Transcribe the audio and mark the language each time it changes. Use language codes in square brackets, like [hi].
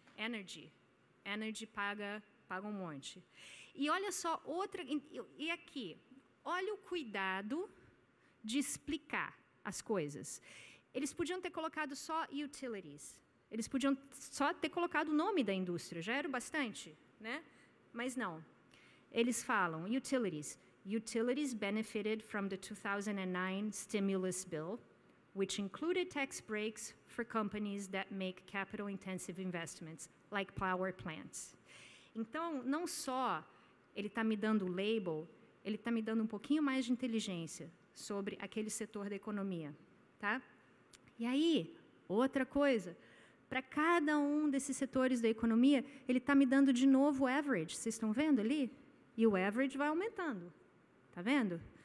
[pt] Energy paga um monte. E olha só outra... E aqui, olha o cuidado de explicar as coisas. Eles podiam ter colocado só utilities. Eles podiam só ter colocado o nome da indústria. Já era o bastante, né? Mas não. Eles falam utilities. [en] Utilities benefited from the 2009 stimulus bill, which included tax breaks for companies that make capital-intensive investments, like power plants. [pt] Então, não só... ele está me dando o label, ele está me dando um pouquinho mais de inteligência sobre aquele setor da economia. Tá? E aí, outra coisa, para cada um desses setores da economia, ele está me dando de novo o average. Vocês estão vendo ali? E o average vai aumentando. Está vendo?